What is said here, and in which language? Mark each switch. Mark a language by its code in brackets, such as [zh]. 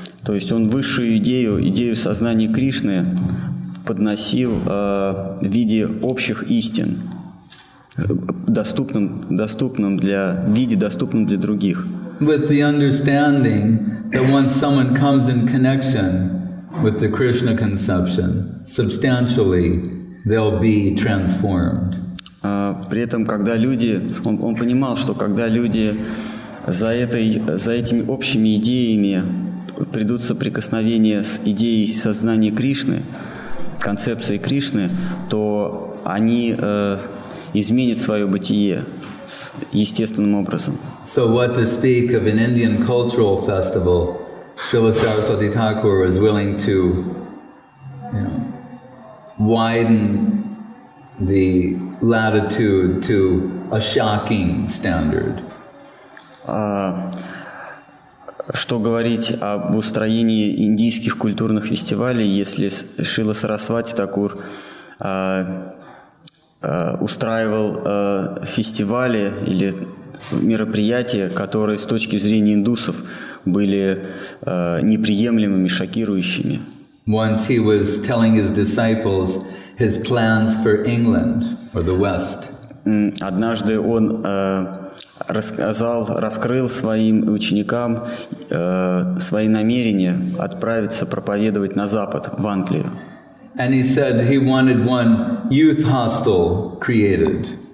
[ru] То есть он высшую идею сознания Кришны подносил в виде общих истин, доступным для других. [en] With the understanding that once someone comes in connection with the Krishna conception, substantially they'll be transformed. [ru] При этом, когда люди, он понимал, что когда люди за этими общими идеями придут в соприкосновение с идеей сознания Кришны, концепцией Кришны, то они изменят свое бытие естественным образом. [en] So what to speak of an Indian cultural festival? Srila Saraswati Thakur was willing to, widen the latitude to a shocking standard. [ru] Что говорить об устроении индийских культурных фестивалей, если Шрила Сарасвати Такур устраивал фестивали или мероприятия, которые с точки зрения индусов были неприемлемыми, шокирующими. [en] Once he was telling his disciples his plans for England or the West. [ru] Однажды он раскрыл своим ученикам свои намерения отправиться проповедовать на Запад, в Англию. [en] And he said he wanted one youth hostel created.